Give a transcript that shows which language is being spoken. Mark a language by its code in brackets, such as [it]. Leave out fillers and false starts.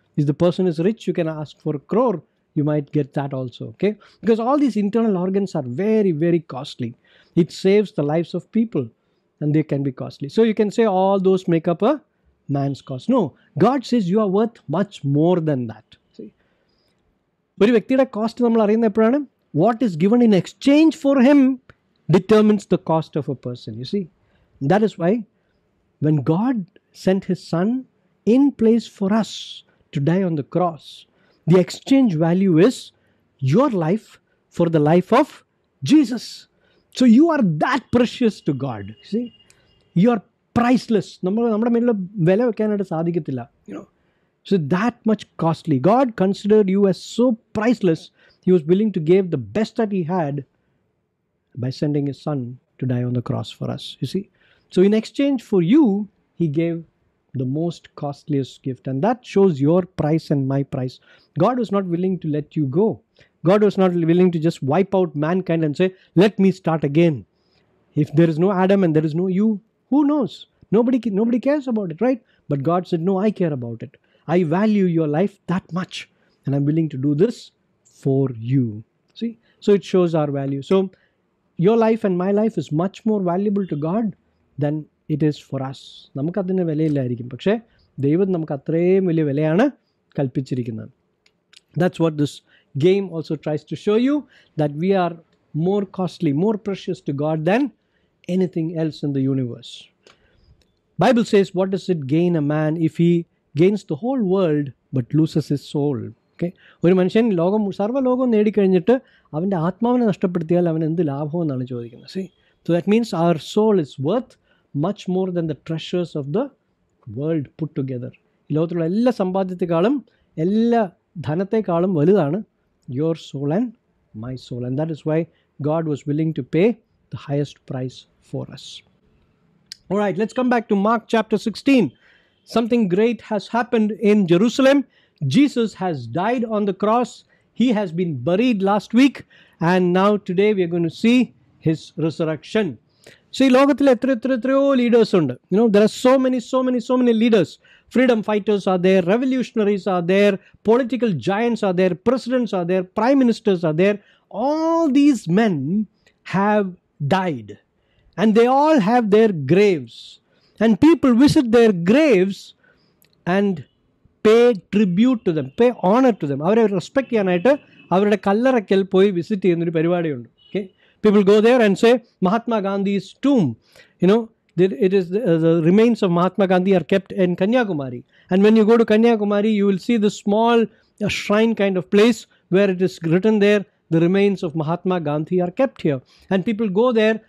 [en] If the person is rich, you can ask for a crore, you might get that also. Okay, because all these internal organs are very very costly. It saves the lives of people and they can be costly. So you can say all those make up a man's cost. No, God says you are worth much more than that. See, [ml] ഒരു വ്യക്തിയുടെ cost നമ്മൾ അറിയുന്ന എപ്പോഴാണ്, [en] What is given in exchange for him determines the cost of a person. You see, that is why when God send his son in place for us to die on the cross, the exchange value is your life for the life of Jesus. So you are that precious to God. See, you are priceless. [ml] Nammude mele vela vekkanadu sadhikkathilla, [en] you know. So that much costly. God considered you as so priceless, he was willing to give the best that he had by sending his son to die on the cross for us. You see, so in exchange for you, he gave the most costliest gift, and that shows your price and my price. God was not willing to let you go. God was not willing to just wipe out mankind and say, let me start again. If there is no Adam and there is no you, who knows? Nobody cares about it, right? But God said, no, I care about it. I value your life that much, and I'm willing to do this for you. See? So it shows our value. So your life and my life is much more valuable to God than it is for us. [ml] നമുക്ക് അതിന് വിലയില്ലായിരിക്കും, പക്ഷേ ദൈവം നമുക്ക് അത്രയും വലിയ വിലയാണ് കൽപ്പിച്ചിരിക്കുന്നത്. [en] That's what this game also tries to show you, that we are more costly, more precious to God than anything else in the universe. Bible says, what does it gain a man if he gains the whole world but loses his soul? [ml] Okay, ഒരു മനുഷ്യൻ ലോകം സർവ ലോകവും നേടിക്കഴിഞ്ഞിട്ട് അവൻ്റെ ആത്മാവിനെ നഷ്ടപ്പെടുത്തിയാൽ അവൻ എന്ത് ലാഭം എന്നാണ് ചോദിക്കുന്നത്. [en] See, so that means our soul is worth much more than the treasures of the world put together. [ml] ഈ ലോകത്തിലുള്ള എല്ലാ സമ്പാദ്യത്തെക്കാളും എല്ലാ ധനത്തെക്കാളും വലുതാണ് [en] Your soul and my soul, and that is why God was willing to pay the highest price for us. Alright, let's come back to Mark chapter 16. Something great has happened in Jerusalem. Jesus has died on the cross. He has been buried last week and now today we are going to see his resurrection. So [ml] ഈ ലോകത്തിൽ എത്ര എത്ര എത്രയോ leaders ഉണ്ട്. [en] You know, there are so many so many so many leaders. Freedom fighters are there, revolutionaries are there, political giants are there, presidents are there, prime ministers are there. All these men have died and they all have their graves and people visit their graves and pay tribute to them, pay honour to them. [ml] അവരെ respect ചെയ്യാനായിട്ട് അവരുടെ കല്ലറയ്ക്കൽ പോയി visit ചെയ്യുന്നൊരു പരിപാടിയുണ്ട്. [en] Okay, people go there and say Mahatma Gandhi's tomb, you know, it is the remains of Mahatma Gandhi are kept in Kanyakumari, and when you go to Kanyakumari you will see the small shrine kind of place where it is written there, the remains of Mahatma Gandhi are kept here, and people go there.